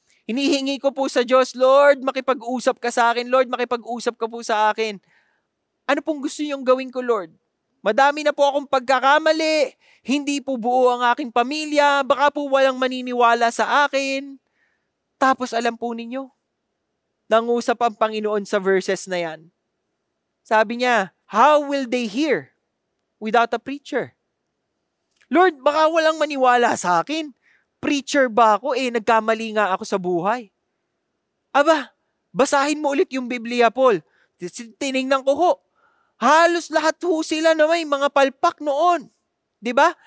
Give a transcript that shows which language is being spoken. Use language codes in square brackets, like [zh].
[tl] Hinihingi ko po sa Diyos, Lord, makipag-usap ka sa akin. Lord, makipag-usap ka po sa akin. Ano pong gusto nyong gawin ko, Lord? Madami na po akong pagkakamali. Hindi po buo ang aking pamilya. Baka po walang maniniwala sa akin. Tapos alam po ninyo, nangusap ang Panginoon sa verses na yan. Sabi niya, [en] how will they hear without a preacher? [tl] Lord, baka walang maniwala sa akin. Preacher ba ako? Eh, nagkamali nga ako sa buhay. Aba, basahin mo ulit yung Biblia, Paul. Tinignan ko ho. Halos lahat ho sila na may mga palpak noon. Diba?